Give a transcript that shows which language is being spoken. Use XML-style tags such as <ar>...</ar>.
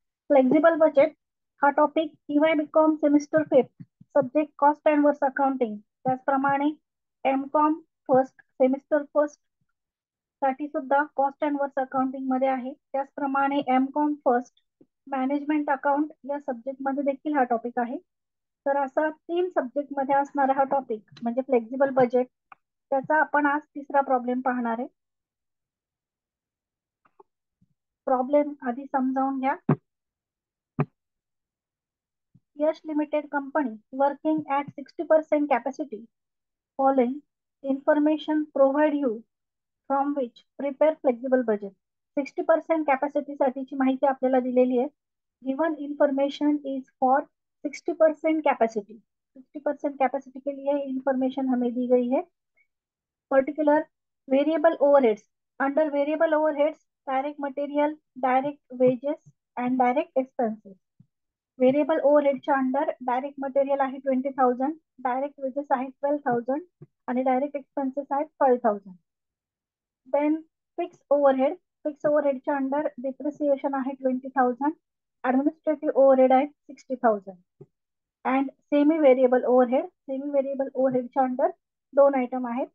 <hi>Flexible budget का topic EY BCom semester 5th, subject cost and verse accounting.</hi> <mr>त्याचप्रमाणे MCom first semester first साठी सुद्धा कॉस्ट एंड वर्स अकाउंटिंग मध्ये आहे। त्याचप्रमाणे एमकॉम फर्स्ट मॅनेजमेंट अकाउंट या सब्जेक्ट मध्ये देखील हा टॉपिक आहे। तर असा तीन सब्जेक्ट मध्ये असणारा हा टॉपिक म्हणजे फ्लेक्सिबल बजेट, त्याचा आपण आज तिसरा प्रॉब्लेम पाहणार आहे। प्रॉब्लेम आधी समजावून घ्या।</mr> <en>Yash limited company working at 60% capacity following information provide you from which prepare flexible budget.</en> <mr>60% capacity साठीची माहिती आपल्याला दिलेली आहे।</mr> <en>Given information is for 60% capacity.</en> <hi>60% capacity के लिए इन्फॉर्मेशन हमें दी गई है। Particular variable overheads, under variable overheads direct material, direct wages and direct expenses.</hi> <mr>Variable ओव्हरहेडच्या अंडर डायरेक्ट मटेरियल आहे 20,000, डायरेक्ट वेजेस आहे 12,000 आणि डायरेक्ट एक्सपेन्सेस आहेत 5,000। देन फिक्स ओव्हरहेड, फिक्स ओव्हरहेडच्या अंडर डिप्रिसिएशन आहे 20,000, ॲडमिनिस्ट्रेटिव्ह ओव्हरहेड आहे 60,000 and semi variable overhead, semi variable ओव्हरहेडच्या under दोन आयटम आहेत।</mr>